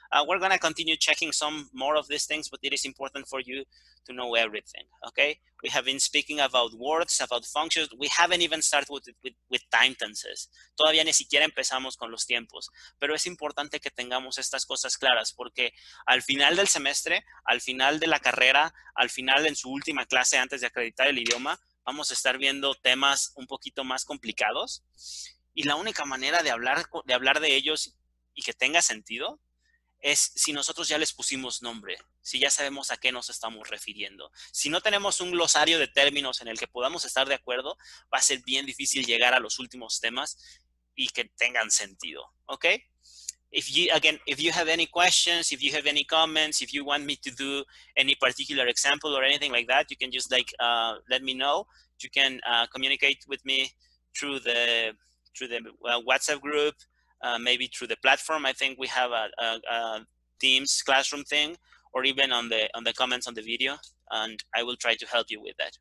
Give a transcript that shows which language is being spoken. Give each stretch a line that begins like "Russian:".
English: We're going to continue checking some more of these things, but it is important for you to know everything, okay? We have been speaking about words, about functions. We haven't even started with time tenses.
Spanish: Todavía ni siquiera empezamos con los tiempos. Pero es importante que tengamos estas cosas claras porque al final del semestre, al final de la carrera, al final en su última clase antes de acreditar el idioma, vamos a estar viendo temas un poquito más complicados. Y la única manera de hablar de ellos y que tenga sentido es si nosotros ya les pusimos nombre, si ya sabemos a qué nos estamos refiriendo. Si no tenemos un glosario de términos en el que podamos estar de acuerdo, va a ser bien difícil llegar a los últimos temas y que tengan sentido, ¿ok?
English: If you have any questions, if you have any comments, if you want me to do any particular example or anything like that, you can just like let me know. You can communicate with me through the WhatsApp group. Maybe through the platform. I think we have a Teams classroom thing, or even on the comments on the video, and I will try to help you with that.